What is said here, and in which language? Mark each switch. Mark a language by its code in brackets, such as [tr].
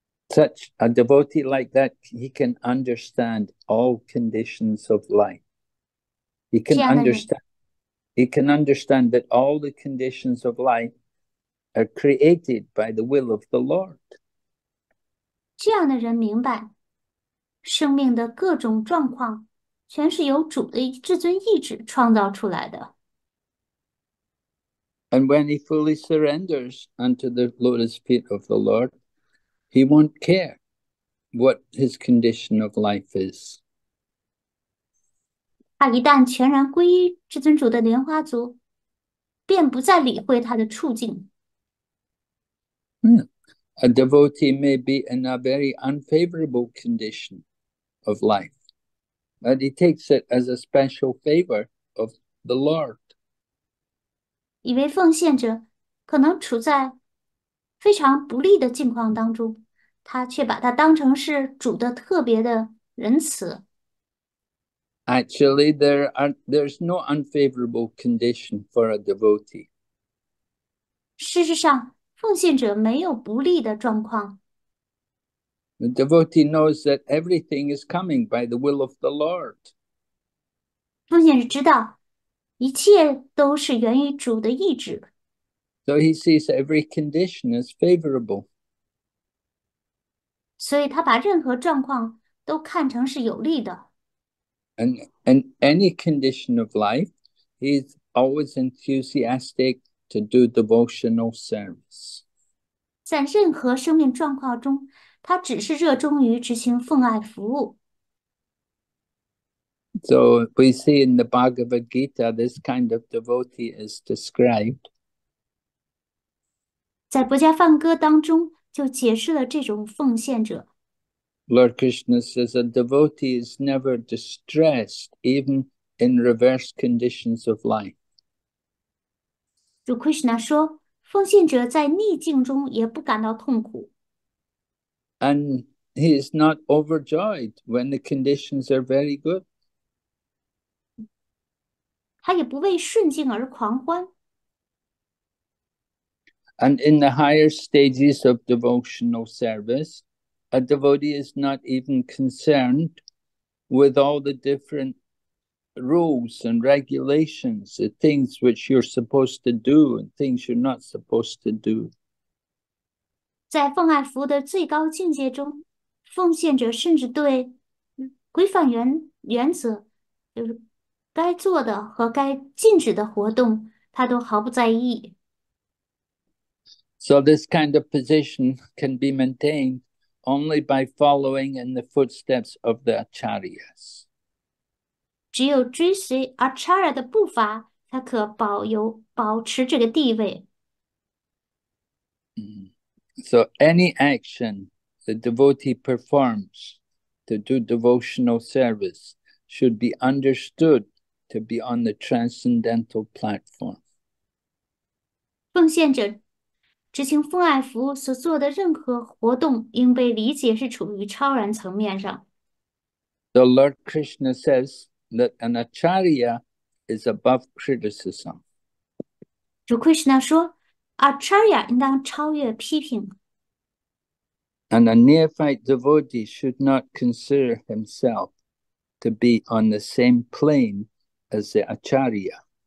[en] Such a devotee like that, he can understand all conditions of life. [zh] 这样的人， [en] He can understand that all the conditions of life are created by the will of the Lord. [zh] 这样的人明白，生命的各种状况全是由主的至尊意志创造出来的。 [en] And when he fully surrenders unto the lotus feet of the Lord, he won't care what his condition of life is. [zh] 他一旦全然皈依至尊主的莲花足，便不再理会他的处境。 [en] A devotee may be in a very unfavorable condition of life, but he takes it as a special favor of the Lord. [zh] 一位奉献者可能处在非常不利的境况当中，他却把它当成是主的特别的仁慈。 [en] Actually, there's no unfavorable condition for a devotee. [zh] 事实上，奉献者没有不利的状况。 [en] The devotee knows that everything is coming by the will of the Lord. [zh] 奉献者知道，一切都是源于主的意志。 [en] So he sees every condition as favorable. [zh] 所以他把任何状况都看成是有利的。 [en] And any condition of life, he's always enthusiastic to do devotional service. [zh] 在任何生命状况中，他只是热衷于执行奉爱服务。 [en] So we see in the Bhagavad Gita, this kind of devotee is described. [zh] 在不加梵歌当中，就解释了这种奉献者。 [en] Lord Krishna says a devotee is never distressed, even in reverse conditions of life. [zh] Sri Krishna 说。奉献者在逆境中也不感到痛苦。 [en] And he is not overjoyed when the conditions are very good. [zh] 他也不为顺境而狂欢。 [en] And in the higher stages of devotional service, a devotee is not even concerned with all the different rules and regulations, the things which you're supposed to do and things you're not supposed to do. [zh] 在奉爱服务的最高境界中，奉献者甚至对规范原则，就是该做的和该禁止的活动，他都毫不在意。 [en] So this kind of position can be maintained only by following in the footsteps of the acharyas. [zh] 只有追随 Acharya 的步伐，才可保持这个地位。 [en] So any action the devotee performs to do devotional service should be understood to be on the transcendental platform. [zh] 奉献者执行奉爱服务所做的任何活动，应被理解是处于超然层面上。 [en] The Lord Krishna says that an acharya is above criticism. [zh] Sri Krishna 说：“Acharya 应当超越批评。 [en] And a neophyte devotee should not consider himself to be on the same plane as the acharya.